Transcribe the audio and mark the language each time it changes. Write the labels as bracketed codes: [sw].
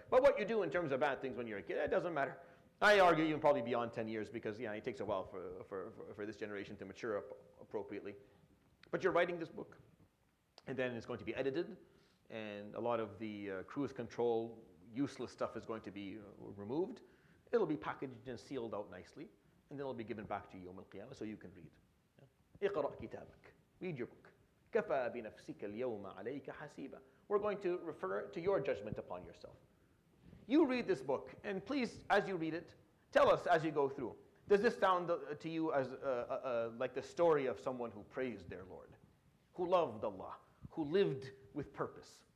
[en] But what you do in terms of bad things when you're a kid, it doesn't matter. I argue even probably beyond 10 years because it takes a while for this generation to mature up appropriately. But you're writing this book and then it's going to be edited and a lot of the cruise control useless stuff is going to be removed. It'll be packaged and sealed out nicely. And then it'll be given back to you on the day so you can read. [ar] اقرأ كتابك. [en] Read your book. [ar] كفى بنفسك اليوم عليك حسيبا. [en] We're going to refer to your judgment upon yourself. You read this book, and please, as you read it, tell us as you go through. Does this sound to you as like the story of someone who praised their Lord, who loved Allah, who lived with purpose?